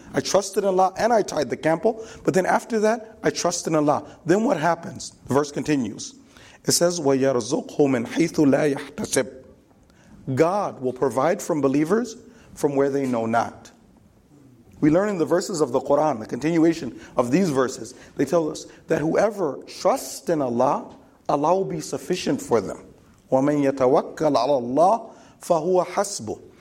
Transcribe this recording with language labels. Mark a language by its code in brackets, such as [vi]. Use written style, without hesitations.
[en] I trusted Allah and I tied the camel. But then after that, I trusted Allah. Then what happens? The verse continues. It says, [ar] وَيَرْزُقْهُ مِنْ حَيْثُ لَا يَحْتَسِبْ. [en] God will provide from believers from where they know not. We learn in the verses of the Quran, the continuation of these verses, they tell us that whoever trusts in Allah, Allah will be sufficient for them. [ar] وَمَن يَتَوَكَّلْ عَلَى اللَّهِ فَهُوَ حَسْبُهُ.